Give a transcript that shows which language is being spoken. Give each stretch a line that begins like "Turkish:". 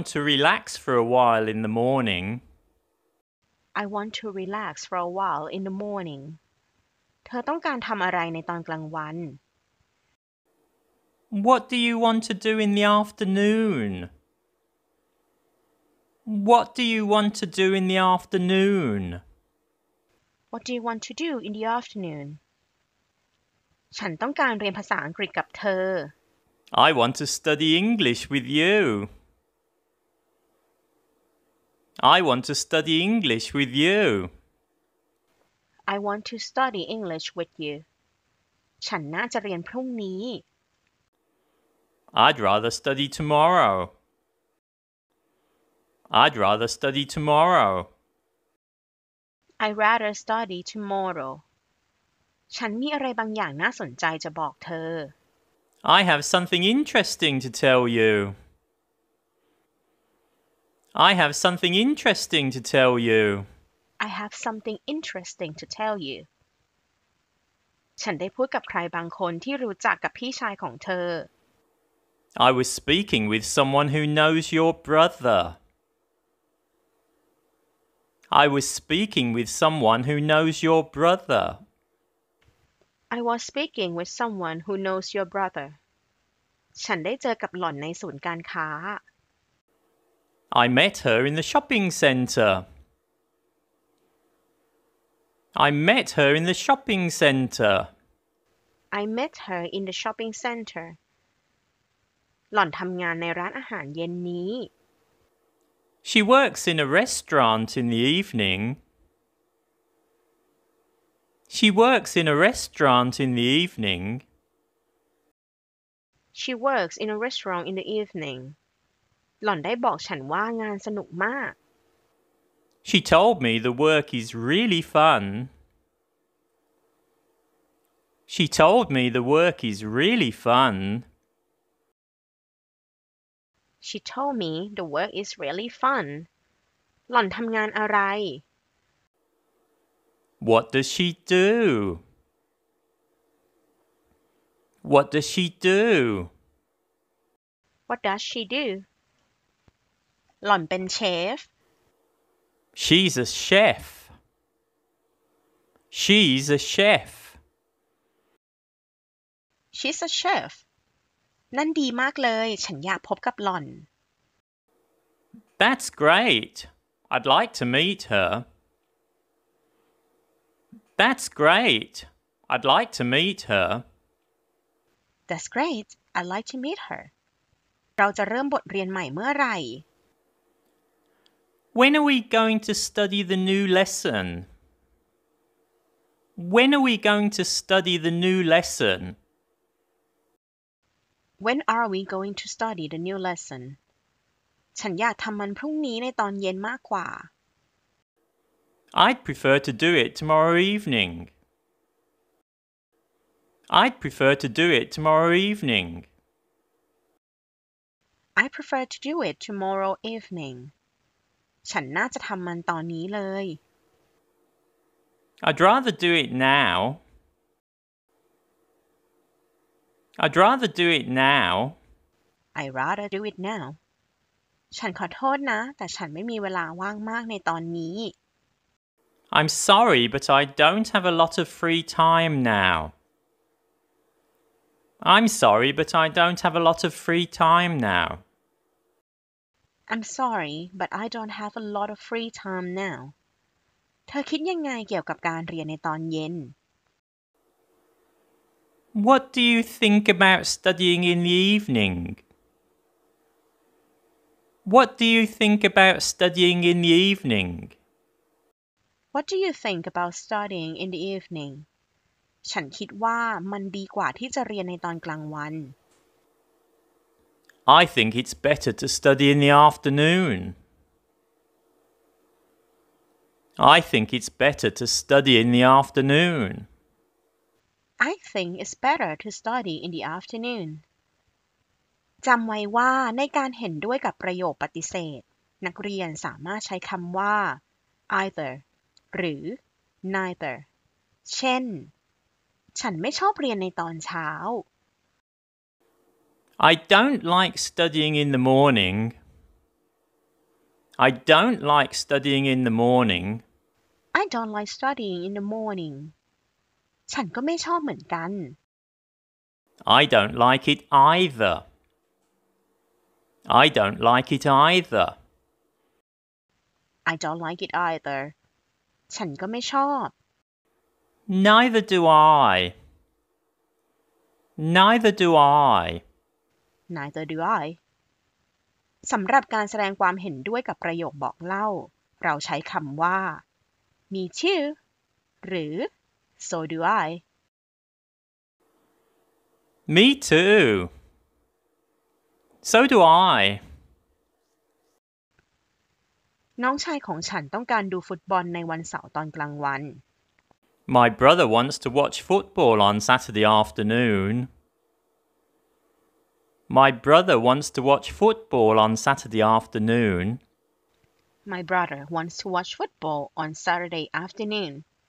English: I want to relax for a while in the morning. I want to relax for a while in the morning.
Thai: เธอต้องการทำอะไรในตอนกลางวัน
English: What do you want to do in the afternoon? What do you want to do in the afternoon? What do you want to do in the afternoon?
Thai: ฉันต้องการเรียนภาษาอังกฤษกับเธ
English: อ I want to study English with you. I want to study English with you. I want to study English with you.
Thai: ฉันน่าจะเรียนพรุ่งนี้
English: I'd rather study tomorrow. I'd rather study tomorrow. I'd rather study tomorrow.
Thai: ฉันมีอะไรบางอย่างน่าสนใจจะบอกเธ
English: อ I have something interesting to tell you. I have something interesting to tell you. I have something interesting to tell you.
Thai: ฉันได้พูดกับใครบางคนที่รู้จักกับพี่ชายของเธ
English: อ I was speaking with someone who knows your brother. I was speaking with someone who knows your brother. I was speaking with someone who knows your brother.
Thai: ฉันได้เจอกับหล่อนในศูนย์การค้า
English: I met her in the shopping center. I met her in the shopping center. I met her in the shopping center.
Thai: หล่อนทำงานในร้านอาหารเย็นนี้
English: She works in a restaurant in the evening. She works in a restaurant in the evening. She works in a restaurant in the evening.
Thai: หล่อนได้บอกฉันว่างานสนุกมาก
English: She told me the work is really fun. She told me the work is really fun. She told me the work is really fun.
Thai: หล่อนทำงานอะไร
English: What does she do? What does she do? What does she do?
Thai: หล่อนเป็นเชฟ
English: She's a chef. She's a chef. She's a chef.
Thai: นั่นดีมากเลยฉันอยากพบกับหล่อน
English: That's great. I'd like to meet her. That's great. I'd like to meet her. That's great. I'd like to meet her.
Thai: เราจะเริ่มบทเรียนใหม่เมื่อไหร่
English: When are we going to study the new lesson? When are we going to study the new lesson? When are we going to study the new lesson?
Thai: ฉันอยากทำมันพรุ่งนี้ในตอนเย็นมากกว่า
English: I'd prefer to do it tomorrow evening. I'd prefer to do it tomorrow evening. I prefer to do it tomorrow evening.
Thai: ฉันน่าจะทำมันตอนนี้เลย
English: I'd rather do it now. I'd rather do it now. I'd rather do it now.
Thai: ฉันขอโทษนะแต่ฉันไม่มีเวลาว่างมากในตอนนี้
English: I'm sorry, but I don't have a lot of free time now. I'm sorry, but I don't have a lot of free time now. I'm sorry, but I don't have a lot of free time now.
Thai: เธอคิดยังไงเกี่ยวกับการเรียนในตอนเย็น
English: What do you think about studying in the evening? What do you think about studying in the evening? What do you think about studying in the evening?
Thai: ฉันคิดว่ามันดีกว่าที่จะเรียนในตอนกลางวัน
English: I think it's better to study in the afternoon. I think it's better to study in the afternoon. I think it's better to study in the afternoon.
Thai: จำไว้ว่าในการเห็นด้วยกับประโยคปฏิเสธนักเรียนสามารถใช้คำว่า either หรือ neither. เช่นฉันไม่ชอบเรียนในตอนเช้า
English: I don't like studying in the morning. I don't like studying in the morning. I don't like studying in the morning.
Thai: ฉันก็ไม่ชอบเหมือนกัน
English: I don't like it either. I don't like it either. I don't like it either.
Thai: ฉันก็ไม่ชอบ
English: Neither do I. Neither do I. Neither do I.
Thai: สำหรับการแสดงความเห็นด้วยกับประโยคบอกเล่าเราใช้คำว่า
English: Me too.
Thai: หรือ
English: So do I. Me too. So do I.
Thai: น้องชายของฉันต้องการดูฟุตบอลในวันเสาร์ตอนกลางวัน
English: My brother wants to watch football on Saturday afternoon. My brother wants to watch football on Saturday afternoon. My brother wants to watch football on Saturday afternoon.